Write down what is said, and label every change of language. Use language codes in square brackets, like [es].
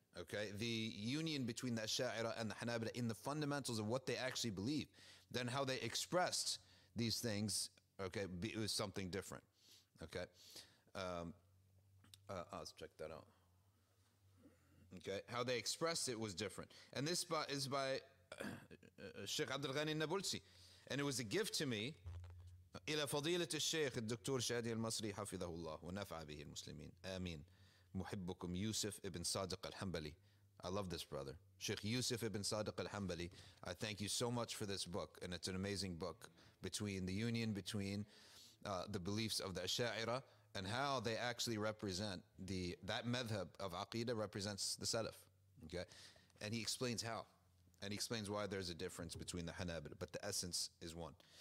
[en] Okay, the union between the Ash'ari and the Hanabila in the fundamentals of what they actually believe, then how they expressed these things, okay, it was something different. Okay. Let's check that out. Okay, how they expressed it was different. And this is by Sheikh Abdul Ghani al-Nabulsi. And it was a gift to me. [ar] إلى فضيلة الشيخ الدكتور شادي المصري حفظه الله ونفع به المسلمين. آمين. محبكم يوسف ابن صادق الحنبلي. [en] I love this brother. Sheikh Yusuf ibn Sadiq al-Hanbali, I thank you so much for this book. And it's an amazing book between the union between the beliefs of the Asha'ira and how they actually represent that madhab of aqidah represents the salaf. Okay, and he explains how. And he explains why there's a difference between the Hanabil, but the essence is one.